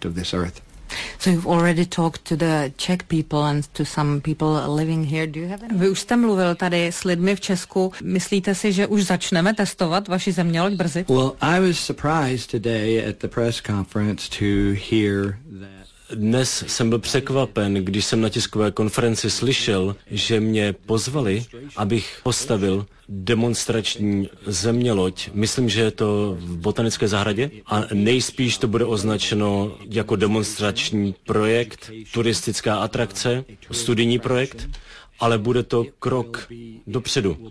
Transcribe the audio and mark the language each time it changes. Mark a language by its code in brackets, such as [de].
[en] So you've already talked to the Czech people and to some people living here. Do you have any? [cs] Vy už jste mluvil tady s lidmi v Česku. Myslíte si, že už začneme testovat vaši zeměloď brzy? [en] Well, I was surprised today at the press conference to hear that. [cs] Dnes jsem byl překvapen, když jsem na tiskové konferenci slyšel, že mě pozvali, abych postavil demonstrační zeměloď. Myslím, že je to v botanické zahradě a nejspíš to bude označeno jako demonstrační projekt, turistická atrakce, studijní projekt, ale bude to krok dopředu.